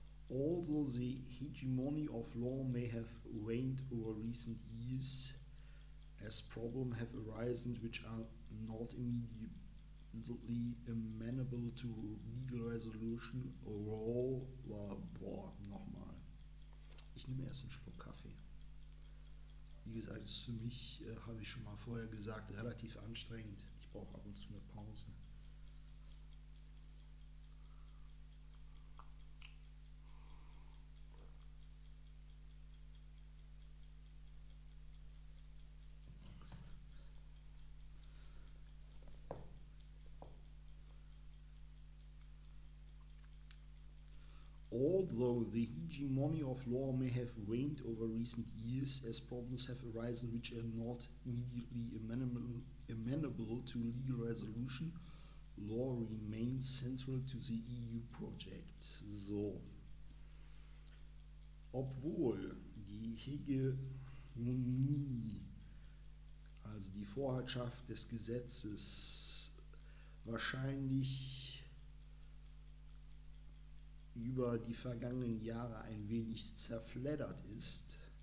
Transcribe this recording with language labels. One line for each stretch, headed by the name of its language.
English: Although the hegemony of law may have waned over recent years, as problems have arisen which are not immediately amenable to legal resolution, overall, nochmal.
German: Ich nehme erst einen Schluck Kaffee. Wie gesagt, ist für mich, habe ich schon mal vorher gesagt, relativ anstrengend. Ich brauche ab und zu eine Pause.
English: Although the hegemony of law may have waned over recent years, as problems have arisen which are not immediately amenable to legal resolution, law remains central to the EU project.
German: So. Obwohl die Hegemonie, also die Vorherrschaft des Gesetzes, wahrscheinlich über die vergangenen Jahre ein wenig zerfleddert ist,